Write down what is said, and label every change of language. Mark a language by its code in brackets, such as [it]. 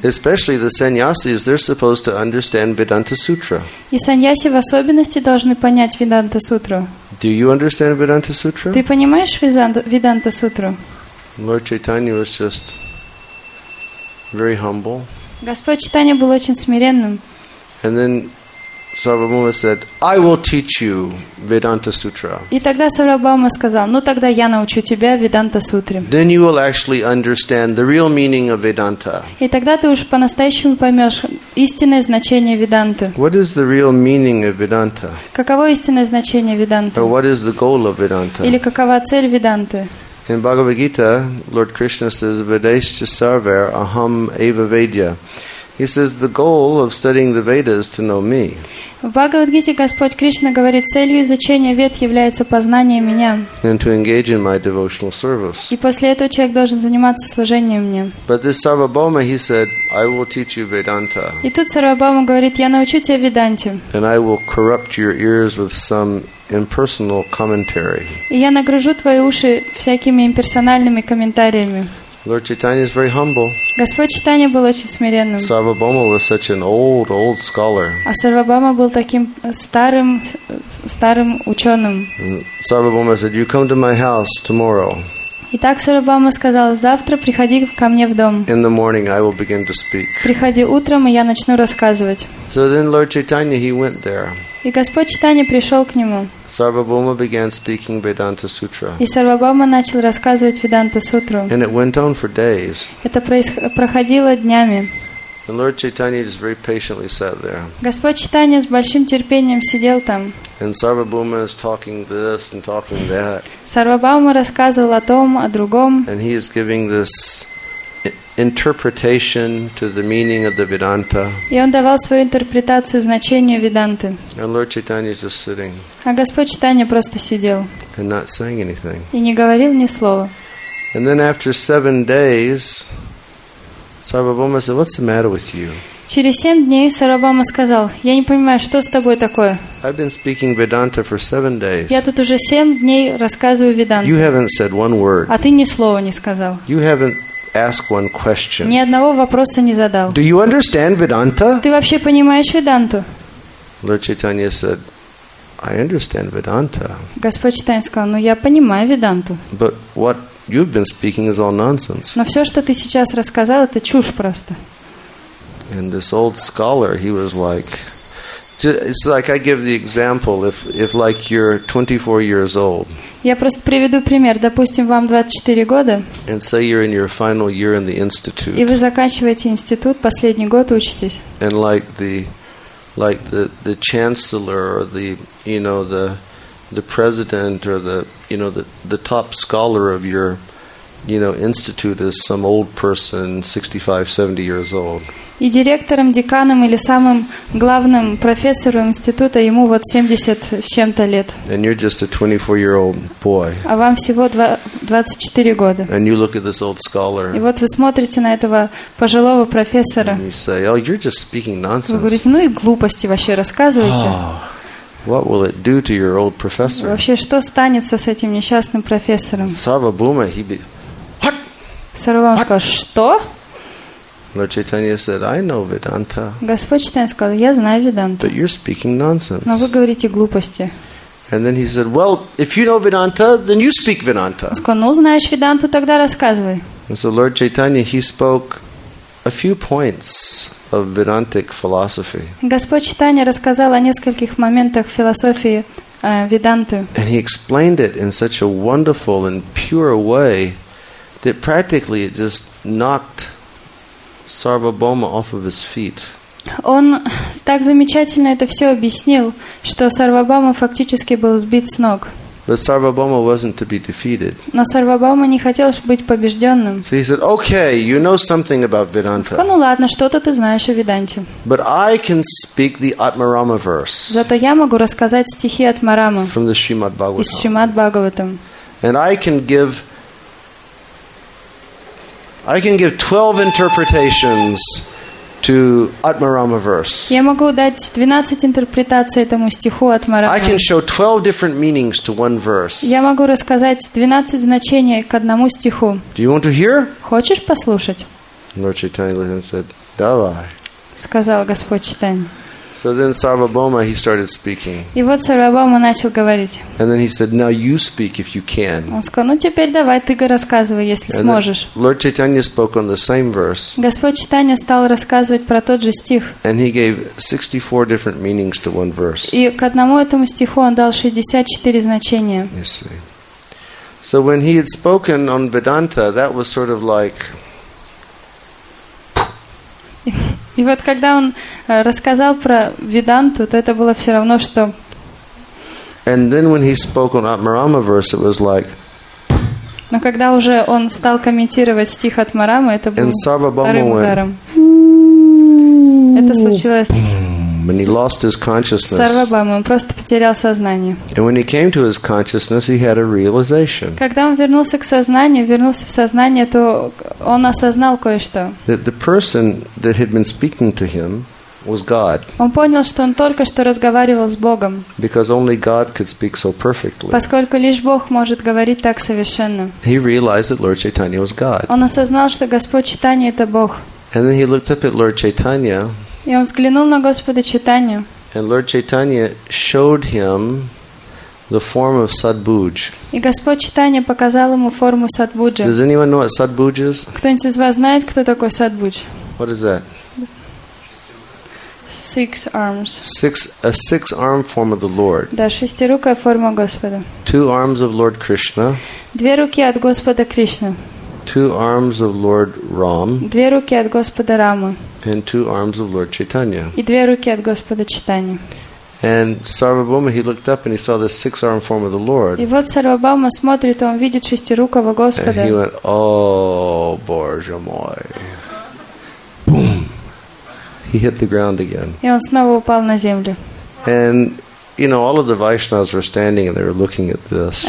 [en] Especially the sannyasis, they're supposed to understand Vedanta Sutra. [ru] И саньяси в особенности должны понять Веданта Сутру. [en] Do you understand Vedanta Sutra? [ru] Ты понимаешь Веданта Сутру? [en] Lord Chaitanya was just very humble. [ru] Господь Чайтанья был очень смиренным. [en] And then Sarvabhauma said, I will teach you Vedanta Sutra. [ru] И тогда Сарвабхаума сказал, ну тогда я научу тебя Веданта Сутре. [en] Then you will actually understand the real meaning of Vedanta. [ru] И тогда ты уж по-настоящему поймешь истинное значение Веданты. [en] What is the real meaning of Vedanta? [ru] Каково истинное значение Веданты? [en] Or what is the goal of Vedanta? [ru] Или какова цель Веданты? [en] In Bhagavad Gita, Lord Krishna says, [sa] Vedaischa Sarvair Aham Eva Vedya. [en] He says, the goal of studying the Vedas is to know me. [ru] В Бхагавад-гите Господь Кришна говорит, целью изучения вед является познание меня. [en] And to engage in my devotional service. [ru] И после этого человек должен заниматься служением мне. [en] But this Sarvabhauma, he said, I will teach you Vedanta. [ru] И тут Сарвабхаума говорит, я научу тебя Веданте. [en] And I will corrupt your ears with some impersonal commentary. [ru] И я нагружу твои уши всякими имперсональными комментариями. [en] Lord Chaitanya is very humble. [ru] Господь Чайтанья был очень смиренным. [en] Sarvabhauma was such an old, old scholar. [ru] А Сарвабхаума был таким старым ученым. [en] Sarvabhauma said, "You come to my house tomorrow." [ru] Итак, Сарвабхаума сказал, завтра приходи ко мне в дом. [en] In the morning, I will begin to speak. [ru] Приходи утром, и я начну рассказывать. [en] So then, Lord Chaitanya, he went there. [ru] И Господь Чайтанья пришел к нему. [en] Sarvabhauma began speaking Vedanta Sutra. [ru] И Сарвабхаума начал рассказывать Веданта Сутру. [en] And it went on for days. [ru] Это проходило днями. [en] And Lord Chaitanya just very patiently sat there. [ru] Господь Чайтанья с большим терпением сидел там. [en] And Sarvabhauma is talking this and talking that. [ru] Сарвабхаума рассказывал о том, о другом. [en] And he is giving this interpretation to the meaning of the Vedanta. [ru] И он давал свою интерпретацию значению Веданты. [en] And Lord Chaitanya is just sitting. [ru] А Господь Чайтанья просто сидел. [en] And not saying anything. [ru] И не говорил ни слова. [en] And then after 7 days, Sarvabhauma said, "What's the matter with you?" [ru] Через 7 дней Сарвабхаума сказал, "Я не понимаю, что с тобой такое." [en] I've been speaking Vedanta for 7 days. [ru] Я тут уже 7 дней рассказываю Веданту. [en] You haven't said one word. [ru] А ты ни слова не сказал. [en] You haven't ask one question. [ru] Ни одного вопроса не задал. [en] Do you understand Vedanta? [ru] Ты вообще понимаешь Веданту? [en] Lord Chaitanya said, I understand Vedanta. [ru] Господь Чайтанья сказал, ну я понимаю Веданту. [en] But what you've been speaking is all nonsense. [ru] Но все, что ты сейчас рассказал, это чушь просто. [en] And this old scholar, he was like, it's like I give the example if like you're 24 years old. [ru] Я просто приведу пример. Допустим, вам 24 года. [en] And say you're in your final year in the institute. [ru] И вы заканчиваете институт, последний год учитесь. [en] And like the chancellor or the president or the top scholar of your institute is some old person, 65, 70 years old. [ru] И директором, деканом или самым главным профессором института ему вот 70 с чем-то лет. [en] And you're just a 24-year-old boy. [ru] А вам всего 24 года. [en] And you look at this old scholar. [ru] И вот вы смотрите на этого пожилого профессора. [en] And you say, oh, you're just speaking nonsense. [ru] Вы говорите, ну и глупости вообще рассказываете. [en] What will it do to your old professor? [ru] Вообще, что станется с этим несчастным профессором? [en] Sarvabhauma, he be... [ru] Сарвабхаума сказал, что? [en] Lord Chaitanya said, I know Vedanta. [ru] Господь Чайтанья сказал, я знаю Веданту. [en] But you're speaking nonsense. [ru] Но вы говорите глупости. [en] And then he said, well, if you know Vedanta, then you speak Vedanta. [ru] Он сказал, ну знаешь Веданту, тогда рассказывай. [en] And so Lord Chaitanya, he spoke a few points of Vedantic philosophy. [ru] Господь Чайтанья рассказал о нескольких моментах философии Веданты. [en] And he explained it in such a wonderful and pure way that practically it just knocked Sarvabhauma off of his feet. [ru] Он так замечательно это все объяснил, что Сарвабхаума фактически был сбит с ног. [en] But Sarvabhauma wasn't to be defeated. [ru] Но Сарвабхаума не хотел быть побежденным. [en] So he said, "Okay, you know something about Vedanta." [ru] Ну ладно, что-то ты знаешь о Веданте. [en] But I can speak the Atmarama verse. [ru] Зато я могу рассказать стихи Атмарамы. [en] From the Srimad Bhagavatam. [ru] Из Шримад Бхагаватам. [en] And I can give 12 interpretations to Atmarama verse. [ru] Я могу дать 12 интерпретаций этому стиху Атмарамы. [en] I can show 12 different meanings to one verse. [ru] Я могу рассказать 12 значений к одному стиху. [en] Do you want to hear? [ru] Хочешь послушать? [en] Lord Chaitanya said, [ru] "Давай." Сказал Господь Чайтанья. [en] So then Sarvabhauma, he started speaking. [ru] И вот Сарвабхаума начал говорить. [en] And then he said, "Now you speak if you can." [ru] Он сказал, ну теперь давай ты рассказывай, если [en] and [ru] сможешь. [en] Lord Chaitanya spoke on the same verse. [ru] Господь Чайтанья стал рассказывать про тот же стих. [en] And he gave 64 different meanings to one verse. [ru] И к одному этому стиху он дал 64 значения. [en] So when he had spoken on Vedanta, that was sort of like. [ru] И вот когда он рассказал про Веданту, то это было все равно, что... [en] And then when he spoke on Atmarama verse, it was like... [ru] Но когда уже он стал комментировать стих Атмарамы, это был вторым ударом. Это случилось [en] and he lost his consciousness. [ru] С Сарвабхаумой. Он просто потерял сознание. [en] And when he came to his consciousness, he had a realization. [ru] Когда он вернулся к сознанию, вернулся в сознание, то он осознал кое-что. [en] That the person that had been speaking to him was God. [ru] Он понял, что он только что разговаривал с Богом. [en] Because only God could speak so perfectly. [ru] Поскольку лишь Бог может говорить так совершенно. [en] He realized that Lord Chaitanya was God. [ru] Он осознал, что Господь Чайтанья — это Бог. [en] And then he looked up at Lord Chaitanya. [ru] И он взглянул на Господа Чайтанью. [en] And Lord Chaitanya showed him the form of Садбудж. [ru] И Господь Чайтанья показал ему форму Садбуджа. [en] Does anyone know what Садбудж is? [ru] Кто-нибудь из вас знает, кто такой Садбудж? [en] What is that? Six arms. A six-arm form of the Lord. [ru] Да, шестирукая форма Господа. [en] Two arms of Lord Krishna. [ru] Две руки от Господа Кришны. [en] Two arms of Lord Ram. [ru] Две руки от Господа Рамы. [en] And two arms of Lord Chaitanya. [ru] И две руки от Господа Чайтаньи. [en] And Sarvabhauma, he looked up and he saw the six-arm form of the Lord. [ru] И вот Сарвабхаума смотрит, он видит шестирукого Господа. [en] And he went, "Oh, [ru] Боже мой!" [en] Boom! He hit the ground again. [ru] И он снова упал на землю. [en] And you know, all of the Vaishnavas were standing and they were looking at this.